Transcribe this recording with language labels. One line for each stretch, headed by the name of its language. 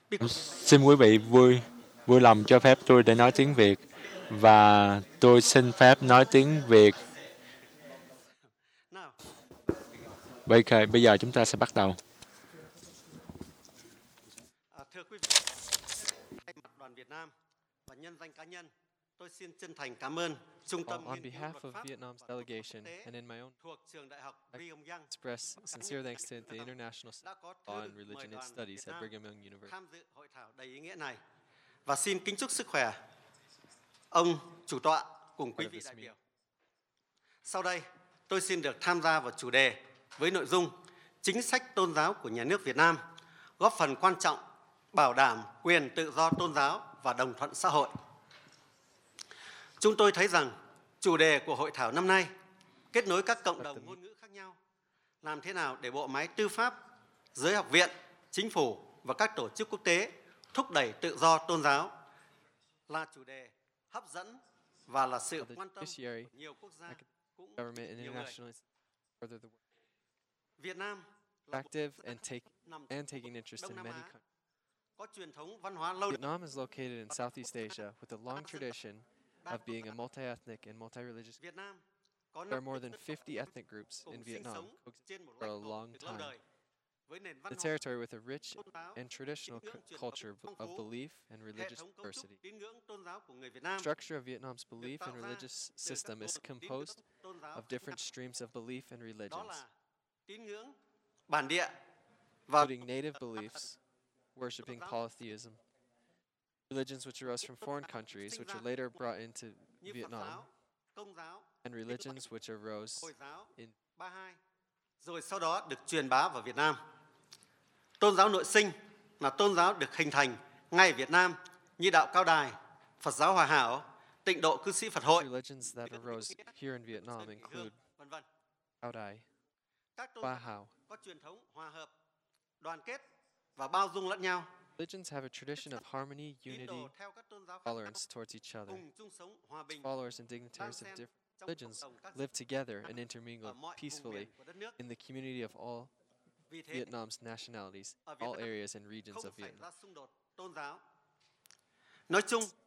Vietnamese: Xin quý vị vui lòng cho phép tôi để nói tiếng Việt và tôi xin phép nói tiếng Việt. Ok, bây giờ chúng ta sẽ bắt đầu. Thưa quý vị, thay mặt đoàn Việt Nam và nhân danh cá nhân, tôi xin chân thành cảm ơn Trung tâm
English: On behalf of Vietnam's delegation and in my own I express sincere thanks to the International Law and Religion and Studies at Brigham Young University.
Vietnamese: Tham dự hội thảo đầy ý nghĩa này và xin kính chúc sức khỏe ông chủ tọa cùng quý vị đại biểu. Sau đây, tôi xin được tham gia vào chủ đề với nội dung chính sách tôn giáo của nhà nước Việt Nam góp phần quan trọng bảo đảm quyền tự do tôn giáo và đồng thuận xã hội. Chúng tôi thấy rằng chủ đề của hội thảo năm nay kết nối các cộng đồng ngôn ngữ khác nhau, làm thế nào để bộ máy tư pháp, giới học viện, chính phủ và các tổ chức quốc tế thúc đẩy tự do tôn giáo là chủ đề hấp dẫn và là sự quan tâm của nhiều quốc gia cũng nhiều người. Việt Nam là một
English: taking interest in many countries.
Vietnamese: Có truyền thống văn hóa lâu đời.
English: Vietnam is located in Southeast Asia with a long tradition of being a multi-ethnic and multi-religious. There are more than 50 ethnic groups in Vietnam for a long time. the territory with a rich and traditional culture of belief and religious diversity. The structure of Vietnam's belief and religious system is composed of different streams of belief and religions, including native beliefs, worshipping polytheism, religions which arose from foreign countries, which were later brought into Vietnam, and religions which arose in
Vietnamese: rồi sau đó được truyền bá vào Việt Nam. Tôn giáo nội sinh là tôn giáo được hình thành ngay ở Việt Nam như đạo Cao Đài, Phật giáo Hòa Hảo, Tịnh độ Cư sĩ Phật hội.
English: Religions that arose here in Vietnam include Cao Đài, Hòa Hảo.
Vietnamese: Có truyền thống hòa hợp, đoàn kết và bao dung lẫn nhau.
English: Religions have a tradition of harmony, unity, tolerance towards each other. Followers and dignitaries of different religions live together and intermingle peacefully in the community of all Vietnam's nationalities, all areas and regions of Vietnam.